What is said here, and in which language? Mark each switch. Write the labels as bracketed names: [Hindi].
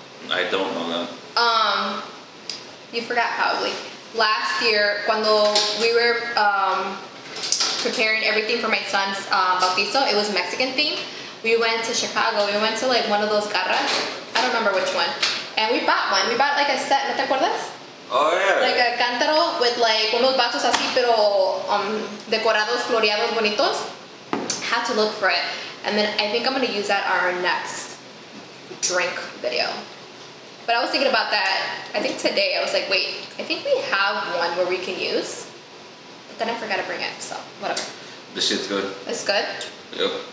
[English] I don't know that. You forgot probably. Last year, cuando we were preparing everything for my son's bautizo, it was Mexican themed. We went to Chicago. We went to like one of those garras. I don't remember which one. And we bought one. We bought like a set. [Spanish] ¿No te acuerdas? [English] Oh, yeah. Like a [Spanish] cántaro [English] with like [Spanish] unos vasos así, pero decorados, floreados, bonitos. [English] Had to look for it. And then I think I'm going to use that on our next drink video. But I was thinking about that. I think today I was like, wait, I think we have one where we can use. But then I forgot to bring it. So whatever. This shit's good. It's good? Yep.